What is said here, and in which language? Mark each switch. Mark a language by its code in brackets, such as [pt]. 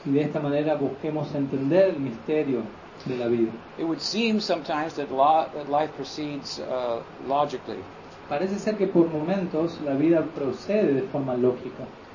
[es] Y de esta manera busquemos entender el misterio de la vida. [en] It would seem sometimes that life proceeds logically. [es] Parece ser que por momentos la vida procede de forma lógica.